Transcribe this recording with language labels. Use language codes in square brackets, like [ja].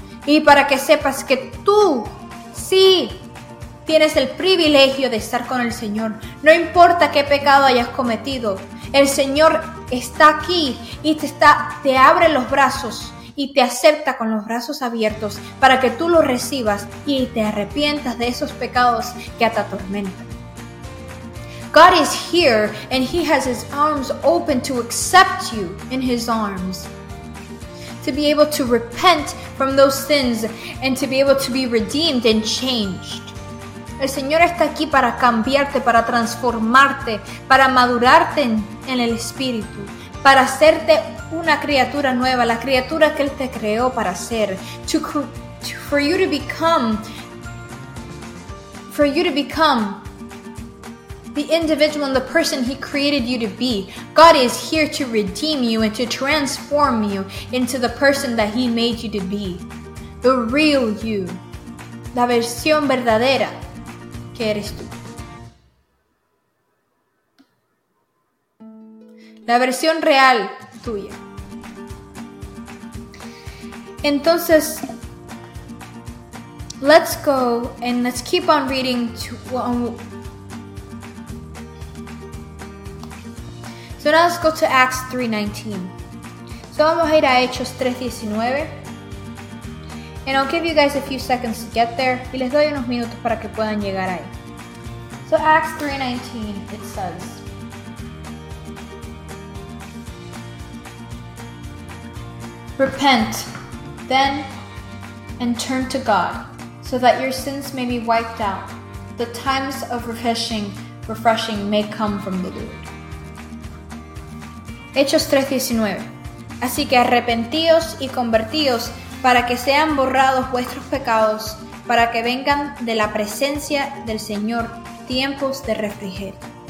[es] Y para que sepas que tú sí tienes el privilegio de estar con el Señor. No importa qué pecado hayas cometido. El Señor está aquí y te abre los brazos y te acepta con los brazos abiertos para que tú lo recibas y te arrepientas de esos pecados que te atormentan. [en] God is here and He has His arms open to accept you in His arms. To be able to repent from those sins and to be able to be redeemed and changed. [es] El Señor está aquí para cambiarte, para transformarte, para madurarte en el Espíritu, para hacerte una criatura nueva, la criatura que Él te creó para ser. [en] For you to become the individual and the person He created you to be. God is here to redeem you and to transform you into the person that He made you to be. The real you. [es] La versión verdadera que eres tú. La versión real tuya. [en] Entonces, let's go and let's keep on reading So now let's go to Acts 3:19. [es] So vamos a ir a Hechos 3:19. [en] And I'll give you guys a few seconds to get there. [es] Y les doy unos minutos para que puedan llegar ahí. [en] So Acts 3:19, it says. Repent, then, and turn to God, so that your sins may be wiped out. The times of refreshing may come from the Lord. [es] Hechos 3:19. Así que arrepentíos y convertíos para que sean borrados vuestros pecados, para que vengan de la presencia del Señor tiempos de refrigerio.